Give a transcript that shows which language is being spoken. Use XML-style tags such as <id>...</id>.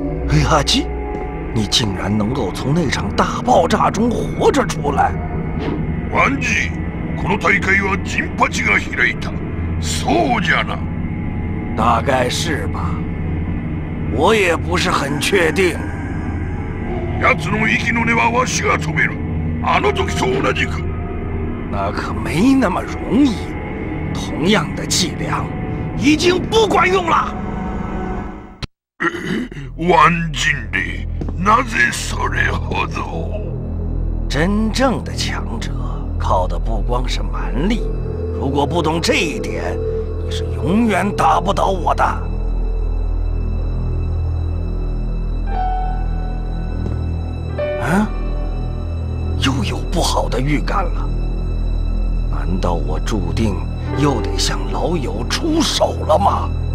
<zh>哎呀，鸡，你竟然能够从那场大爆炸中活着出来。</zh> <ja>ワンジ、この大会はジンパチが開いた。そうじゃな。</ja> <zh>大概是吧。我也不是很确定。</zh> <ja>奴の息の根はわしが止める。あの時と同じく。</ja> <zh>那可没那么容易。同样的伎俩已经不管用了。</zh> <ja>ワンジンリ、なぜそれほど。</ja> <zh>真正的强者靠的不光是蛮力，如果不懂这一点，你是永远打不倒我的。啊，又有不好的预感了，难道我注定又得向老友出手了吗？</zh>